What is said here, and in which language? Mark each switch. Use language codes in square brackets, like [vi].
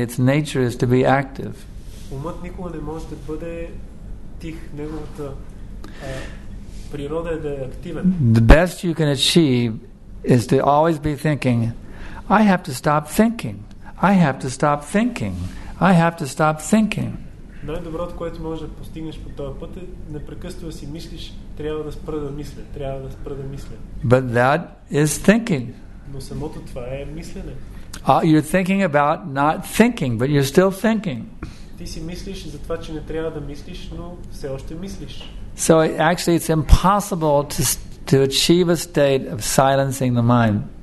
[en] Its nature is to be active. The best you can achieve is to always be thinking, I have to stop thinking. I have to stop thinking. I have to stop thinking. [bg] Най-доброто, което можеш да постигнеш по този път е непрекъснато си мислиш, трябва да спра да мисля, трябва да спра да мисля. [en] But that is thinking. [bg] Но самото това е мислене. [en] You're thinking about not thinking, but you're still thinking. [bg] Ти си мислиш за това, че не трябва да мислиш, но все още мислиш. [en] So actually it's impossible to achieve a state of silencing the mind.